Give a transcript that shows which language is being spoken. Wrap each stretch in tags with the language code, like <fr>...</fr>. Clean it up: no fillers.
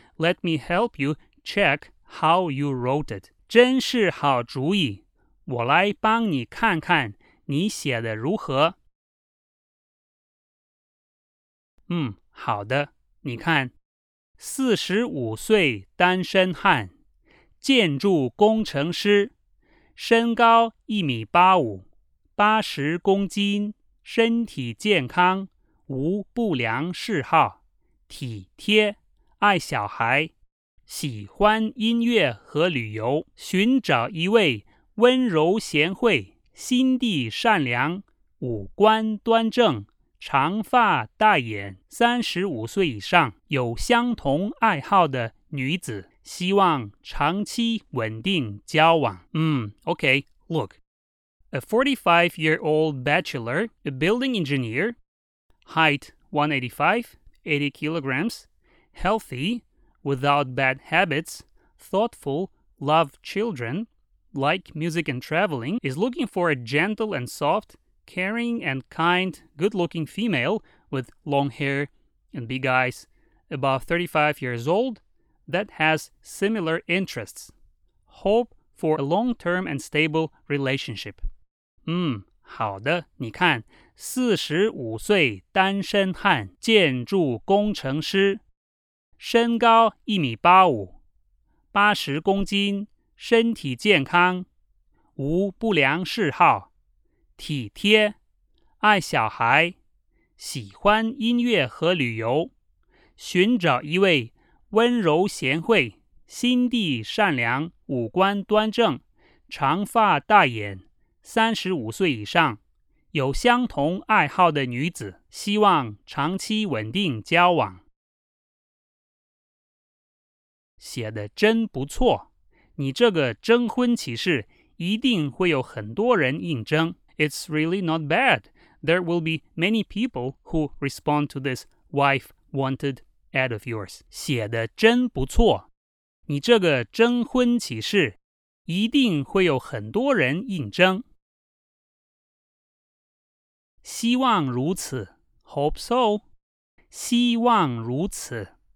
<en>Let me help you check how you wrote it. 真是好主意,</en> <zh>我来帮你看看你写的如何。嗯，好的，你看，45岁单身汉，建筑工程师，身高1.85米，80公斤，身体健康，无不良嗜好，体贴，爱小孩，喜欢音乐和旅游，寻找一位温柔贤惠，心地善良，五官端正，长发大眼，35岁以上，有相同爱好的女子，希望长期稳定交往。</zh> <en>Okay, look. A 45-year-old bachelor, a building engineer, height 185, 80 kilograms, healthy, without bad habits, thoughtful, love children, like music and traveling, is looking for a gentle and soft, caring and kind, good-looking female with long hair and big eyes, above 35 years old, that has similar interests. Hope for a long-term and stable relationship.</en> <zh>好的，你看，45岁单身汉，建筑工程师，身高1.85米，80公斤，身体健康，无不良嗜好，体贴，爱小孩，喜欢音乐和旅游，寻找一位温柔贤惠，心地善良，五官端正，长发大眼，35岁以上，有相同爱好的女子，希望长期稳定交往。写得真不错，你这个征婚启事一定会有很多人应征。</zh> <en>It's really not bad. There will be many people who respond to this wife wanted ad of yours.</en> <zh>写得真不错，你这个征婚启事一定会有很多人应征。希望如此，</zh> <en>hope so.</en> <zh>希望如此。</zh>